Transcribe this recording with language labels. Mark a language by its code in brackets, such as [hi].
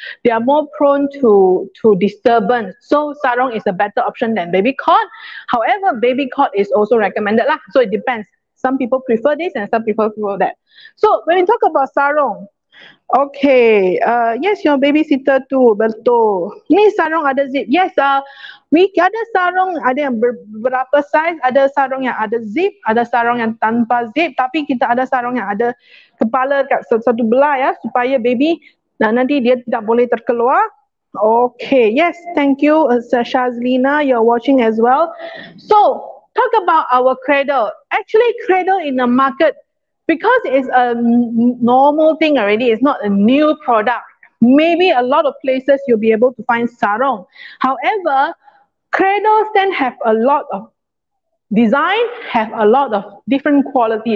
[en] They are more prone to disturbance. So sarong is a better option than baby cot. However, baby cot is also recommended lah. So it depends. Some people prefer this and some people prefer that. So when we talk about sarong, okay, yes, your babysitter too, betul. [ms] Ni sarong ada zip. [en] Yes, we [ms] ada sarong, ada yang beberapa size, ada sarong yang ada zip, ada sarong yang tanpa zip, tapi kita ada sarong yang ada kepala kat satu belah ya, supaya baby nanti dia tidak boleh terkeluar. [en] Okay, yes, thank you, Shazlina, you're watching as well. So, talk about our cradle. Actually, cradle in the market, because it's a normal thing already, it's not a new product. Maybe a lot of places you'll be able to find sarong. However, cradles then have a lot of design, have a lot of different quality.